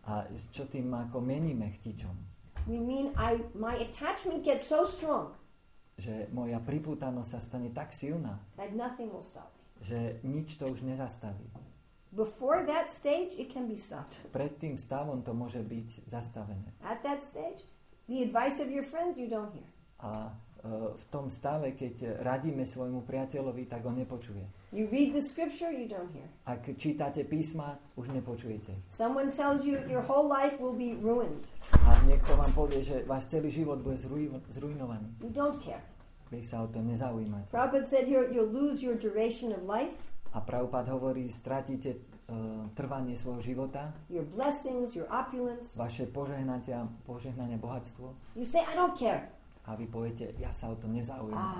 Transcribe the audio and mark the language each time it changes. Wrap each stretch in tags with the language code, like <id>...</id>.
<sk>A čo tým ako meníme chtičom?</sk> <en>We mean my attachment gets so strong.</en> <sk>Že moja pripútanosť sa stane tak silná.</sk> <en>That nothing will stop.</en> <sk>Že nič to už nezastaví.</sk> <en>Before that stage it can be stopped.</en> <sk>Pred tým stavom to môže byť zastavené.</sk> <en>At that stage the advice of your friends you don't hear.</en> <sk>A v tom stave, keď radíme svojmu priateľovi, tak ho nepočuje.</sk> <en>You read the scripture, you don't hear.</en> <sk>Ak čítate písma, už nepočujete.</sk> <en>Someone tells you your whole life will be ruined.</en> <sk>A niekto vám povie, že váš celý život bude zrujnovaný.</sk> <en>You don't care.</en> <sk>Vy sa o to nezaujímate.</sk> <en>Prabhupada said you'll lose your duration of life.</en> <sk>A Prabhupada hovorí, stratíte trvanie svojho života.</sk> <en>Your blessings, your opulence.</en> <sk>Vaše požehnanie, bohatstvo.</sk> <en>You say, I don't care.</en> <sk>A vy poviete, ja sa o to nezaujímam.</sk>